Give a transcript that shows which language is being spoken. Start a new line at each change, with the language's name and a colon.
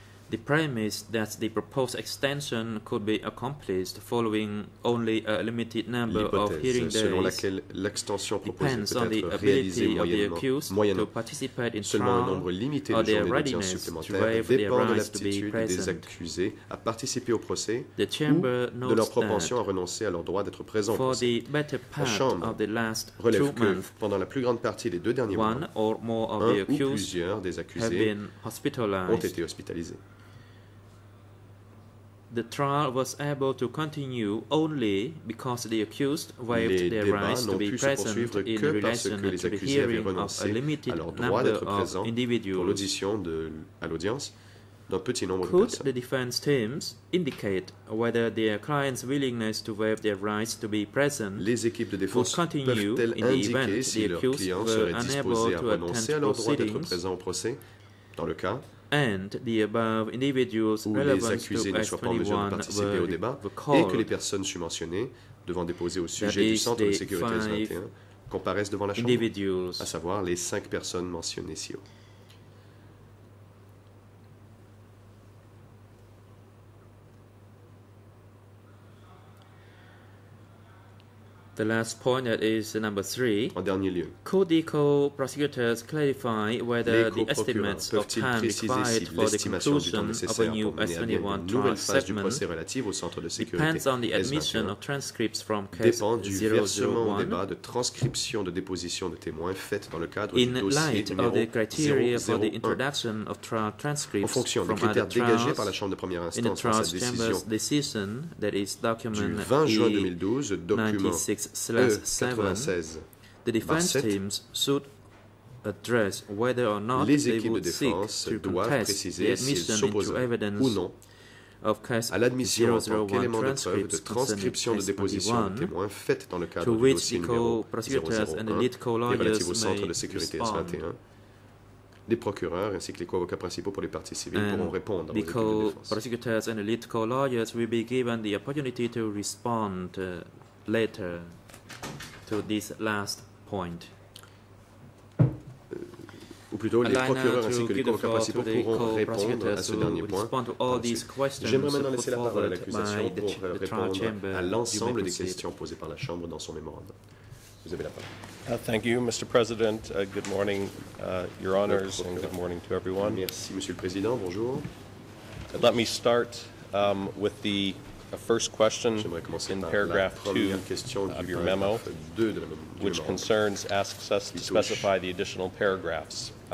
English: the premise that the proposed extension could be accomplished following only a limited number of hearing days
French: selon laquelle l'extension proposée peut être réalisée moyennement
English: to participate in
French: seulement un nombre limité de journées d'audience supplémentaires dépend de l'aptitude des accusés à participer au procès ou de leur propension à renoncer à leur droit d'être présent au procès. La Chambre relève que pendant la plus grande partie des deux derniers mois, un ou plusieurs des accusés ont été hospitalisés.
English: The trial was able to continue only because the accused waived their rights to be present in relation to the hearing of a limited number of individuals. Could the defense teams indicate whether their client's willingness to waive their rights to be present would continue in the event the accused were unable to attend proceedings?
French: Dans le cas
English: and the above individuals
French: où les accusés ne soient pas en mesure de participer au débat et que les personnes surmentionnées devant déposer au sujet du Centre de sécurité 21 comparaissent devant la Chambre, à savoir les cinq personnes mentionnées ci-haut.
English: The last point that is number 3.
French: En dernier lieu,
English: could the co-prosecutors clarify whether the estimates of time required for the conclusion of a new S21 trial segment depends on the admission of transcripts from case 001
French: dépend du versement au débat de transcription de déposition de témoins faites dans le cadre du dossier
English: of the criteria for the introduction of trial transcripts
French: en fonction des critères dégagés par la Chambre de première instance dans sa
English: decision that is document
French: du 20 juin 2012 document 96/7,
English: the defense teams should address whether or not
French: les
English: they would seek to contest the admission into evidence of case 001 transcripts concerning case 21 to which the co-prosecutors and the lead co-lawyers may respond.
French: Les procureurs ainsi que les co-avocats principaux pour les parties civiles pourront répondre aux équipes de défense.
English: The co-prosecutors and the lead co-lawyers will be given the opportunity to respond later to this last point.
French: Ou plutôt, les procureurs ainsi que les co-avocats principaux pourront répondre à ce dernier point. J'aimerais maintenant laisser la parole à l'accusation pour répondre à l'ensemble des questions posées par la Chambre dans son mémorandum. Vous avez la parole.
English: Thank you, Mr. President. Good morning, Your Honors, and good morning to everyone.
French: Merci, Monsieur le Président. Bonjour.
English: Let me start with the first question in paragraph 2 of your memo, which concerns, asks us to specify the additional paragraphs.